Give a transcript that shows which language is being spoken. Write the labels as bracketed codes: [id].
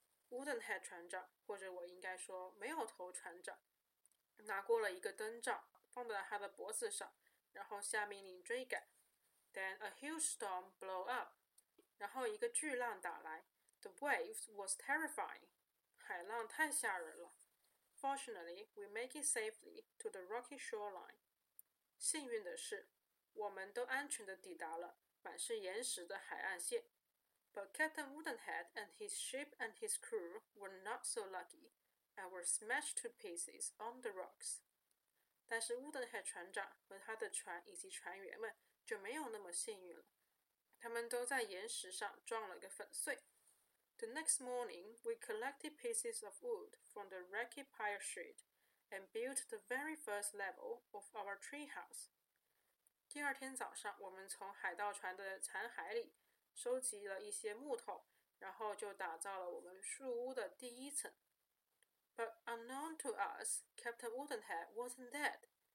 [zh] Woodenhead 船长，或者我应该说没有头船长，拿过了一个灯罩，放在他的脖子上，然后下命令追赶。 [en] Then a huge storm blew up. [zh] 然后一个巨浪打来。 [en] The waves was terrifying. [zh] 海浪太吓人了。 [en] Fortunately, we make it safely to the rocky shoreline. [zh] 幸运的是，我们都安全地抵达了满是岩石的海岸线。 [en] But Captain Woodenhead and his ship and his crew were not so lucky and were smashed to pieces on the rocks. [zh] 但是 Woodenhead 船长和他的船以及船员们就没有那么幸运了。他们都在岩石上撞了个粉碎。 [en] The next morning, we collected pieces of wood from the wrecked pirate ship and built the very first level of our treehouse. [zh] 第二天早上，我们从海盗船的残骸里收集了一些木头，然后就打造了我们树屋的第一层。 [en] But unknown to us, Captain Woodenhead wasn't dead.